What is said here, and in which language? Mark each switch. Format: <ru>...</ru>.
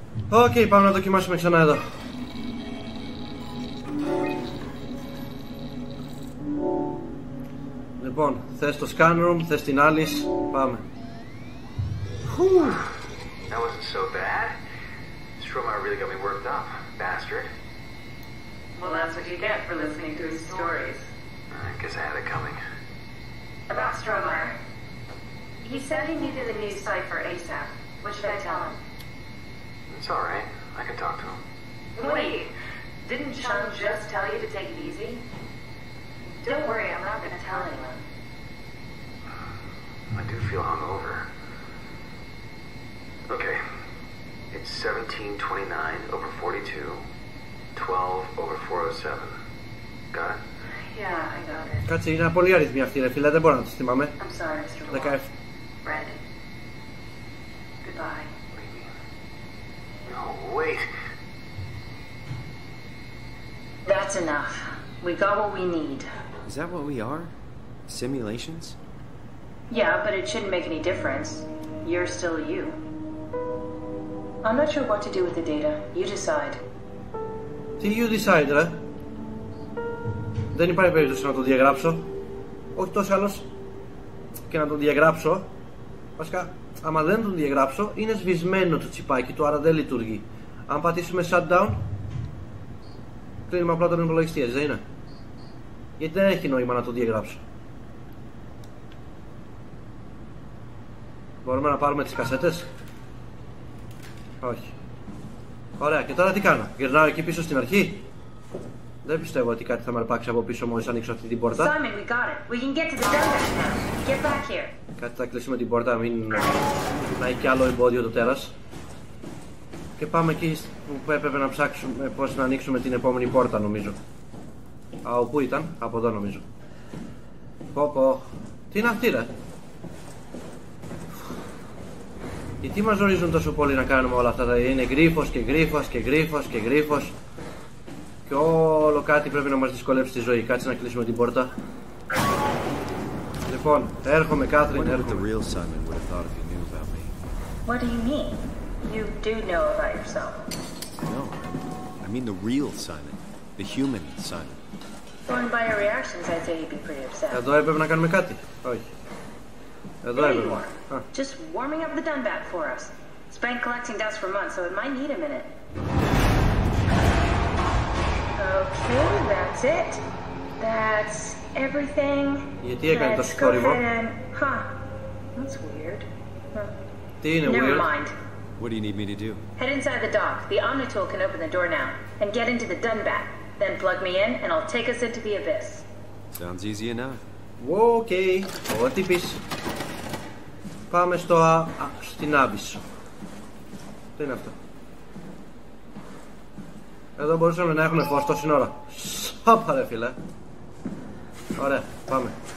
<el>Okay, πάμε να δοκιμάσουμε ξανά εδώ. Λοιπόν, θες το scan room, θες την Alice, πάμε.</el> <en>That wasn't so bad. Stromar really got me worked up, bastard. Well, that's what you get for listening to his stories. I guess I had it coming. About Stromar. He said he needed a new cipher ASAP. What should I tell him? It's all right. I can talk to him. Wait, didn't Chung just tell you to take it easy? Don't worry, I'm not going to tell anyone. I do feel hungover. Okay, it's 1729 over 42, 12 over 407. Got it? Yeah, I got it.</en> <el>Κάτσε, είναι πολύ αριθμοί αυτοί, ρε φίλε, δεν μπορώ να τους θυμάμαι.</el> <en>I'm sorry, Mr. Wall. Brandon. Goodbye. No, wait. That's enough. We got what we need. Is that what we are? Simulations? Yeah, but it shouldn't make any difference. You're still you. I'm not sure what to do with the data. You decide.</en> <el>Τι</el> <en>you decide,</en> <el>ρε. Δεν υπάρχει περίπτωση να το διαγράψω. Όχι τόσο άλλος. Και να το διαγράψω. Βασικά, άμα δεν το διαγράψω, είναι σβησμένο το τσιπάκι του, άρα δεν λειτουργεί. Αν πατήσουμε shutdown, κλείνουμε απλά τον υπολογιστή, έτσι δεν είναι? Γιατί δεν έχει νόημα να το διαγράψω. Μπορούμε να πάρουμε τις κασέτες? Όχι. Ωραία, και τώρα τι κάνω? Γυρνάω εκεί πίσω στην αρχή? Δεν πιστεύω ότι κάτι θα με αρπάξει από πίσω μόλις ανοίξω αυτή την πόρτα.</el> <en>Simon, we got it. We can get to the dungeon now. Get back here.</en> <el>Κάτι θα κλείσουμε την πόρτα, μην να έχει κι άλλο εμπόδιο το τέρας. Και πάμε εκεί που έπρεπε να ψάξουμε πώς να ανοίξουμε την επόμενη πόρτα, νομίζω. Α, όπου ήταν? Από εδώ, νομίζω. Πω πω. Τι είναι αυτή, ρε? Γιατί μας ορίζουν τόσο πολύ να κάνουμε όλα αυτά? Δηλαδή είναι γρίφος και γρίφος και γρίφος και γρίφος. Και όλο κάτι πρέπει να μας δυσκολέψει τη ζωή. Κάτσε να κλείσουμε την πόρτα. Λοιπόν, έρχομαι, Κάθριν, έρχομαι.</el> <en>What would the real Simon would have thought if he knew about me? What do you mean? You do know about yourself. No, I mean the real Simon. The human Simon. Going by your reactions, I'd say he'd be pretty upset.</en> <el>Εδώ έπρεπε να κάνουμε κάτι. Όχι. Εδώ</el> <en>there you are. Huh. Just warming up the Dunbat for us. It's been collecting dust for months, so it might need a minute. Okay, that's it. That's everything. Let's go ahead and... Huh. That's weird. Dina, never mind. What do you need me to do? Head inside the dock. The Omnitool can open the door now. And get into the Dunbat. Then plug me in, and I'll take us into the Abyss. Sounds easy enough.</en> <el>Okay. Ό,τι πεις. Πάμε στο στην Abyss. Τι είναι αυτό. Εδώ μπορούσαμε να έχουμε φως το σύνορα. Σάπα ρε φίλε. Ωραία, πάμε.</el>